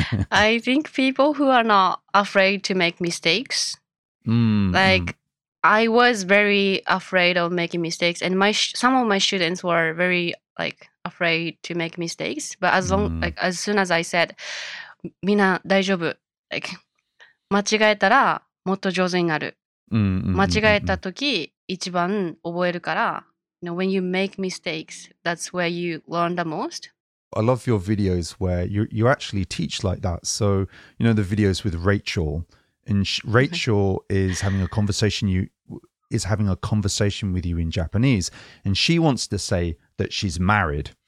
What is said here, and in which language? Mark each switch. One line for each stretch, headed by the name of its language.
English: I think people who are not afraid to make mistakes. I was very afraid of making mistakes, and some of my students were very afraid to make mistakes. But as soon as I said, "Mina,
Japanese: 大丈夫." "間違えたらもっと上手になる." "間違えた時一番覚えるから
English: you know, when you make mistakes, that's where you learn the most. I love your videos where you actually teach like that. So, you know, the videos with Rachel, and Rachel is having a conversation. Is having a conversation with you in Japanese, and she wants to say that she's married.